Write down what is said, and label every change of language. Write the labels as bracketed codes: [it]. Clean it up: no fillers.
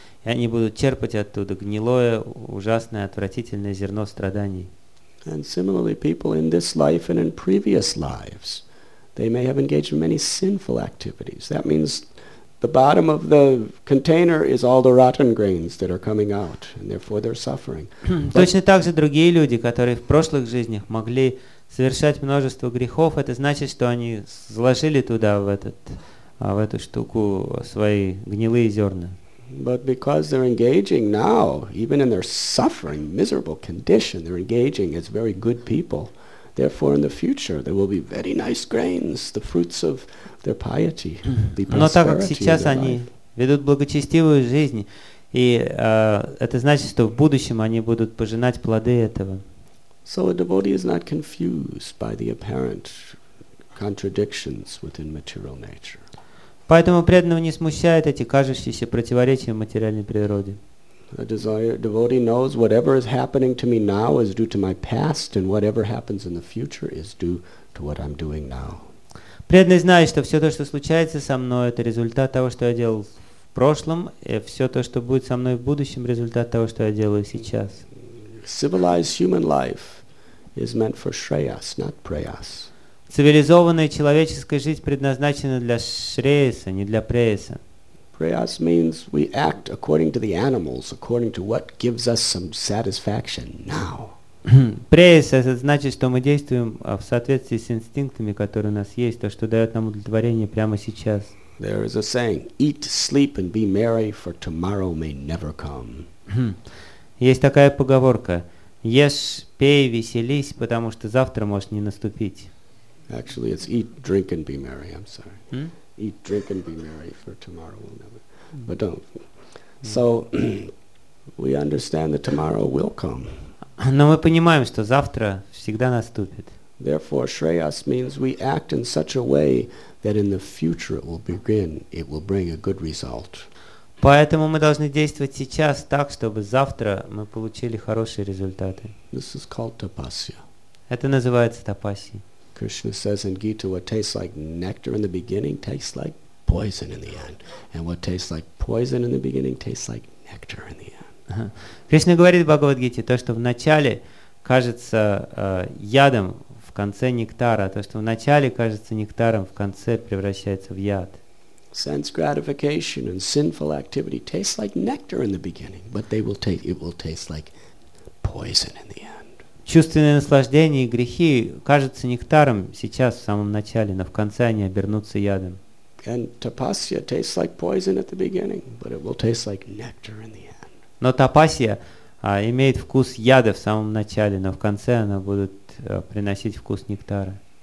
[ru] И они будут черпать оттуда гнилое, ужасное, отвратительное зерно страданий. [en] And similarly, people in this life and in previous lives, they may have engaged in many sinful activities. That means the bottom of the container is all the rotten grains that are coming out, and therefore they're suffering. [ru] Точно так же другие люди, которые в прошлых жизнях могли совершать множество грехов, это значит, что они заложили туда, в эту штуку, свои гнилые зерна. [en] But because they're engaging now, even in their suffering, miserable condition, they're engaging as very good people. Therefore, in the future, there will be very nice grains, the fruits of their piety, the prosperity. [ru] Но так как сейчас они ведут благочестивую жизнь, и это значит, что в будущем они будут пожинать плоды этого. [en] So a devotee is not confused by the apparent contradictions within material nature. [ru] Поэтому преданного не смущают эти кажущиеся противоречия в материальной природе. [en] A devotee knows whatever is happening to me now is due to my past, and whatever happens in the future is due to what I'm doing now. [ru] Преданный знает, что все то, что случается со мной, это результат того, что я делал в прошлом, и все то, что будет со мной в будущем, результат того, что я делаю сейчас. [en] Civilized human life is meant for shreyas, not prayas. [ru] Цивилизованная человеческая жизнь предназначена для шреяса, не для преяса. [en] Prayas means we act according to the animals, according to what gives us some satisfaction now. [ru] Преяса — это значит, что мы действуем в соответствии с инстинктами, которые у нас есть, то, что дает нам удовлетворение прямо сейчас. [en] There is a saying: eat, sleep, and be merry, for tomorrow may never come. [ru] Есть такая поговорка: ешь, пей, веселись, потому что завтра может не наступить. [en] Actually, it's eat, drink, and be merry. I'm sorry. Eat, drink, and be merry, for tomorrow will never. But don't. So, We understand that tomorrow will come. [ru] Но мы понимаем, что завтра всегда наступит. [en] Therefore, Shreyas means we act in such a way that in the future it will begin, it will bring a good result. [ru] Поэтому мы должны действовать сейчас так, чтобы завтра мы получили хорошие результаты. [en] This is called tapasya. [ru] Это называется тапасья. [en] Krishna says in Gita, what tastes like nectar in the beginning tastes like poison in the end, and what tastes like poison in the beginning tastes like nectar in the end. [ru] Кришна говорит в Бхагавад-гите, то, что в начале кажется ядом, в конце нектара, а то, что в начале кажется нектаром, в конце превращается в яд. [en] Sense gratification and sinful activity taste like nectar in the beginning, but they will taste, it will taste like poison in the end. [ru] Чувственные наслаждения и грехи кажутся нектаром сейчас в самом начале, но в конце они обернутся ядом. [en] And tapasya tastes like poison at the beginning, but it will taste like nectar in the end. [ru] Но тапасья имеет вкус яда в самом начале, но в конце она будет приносить вкус нектара.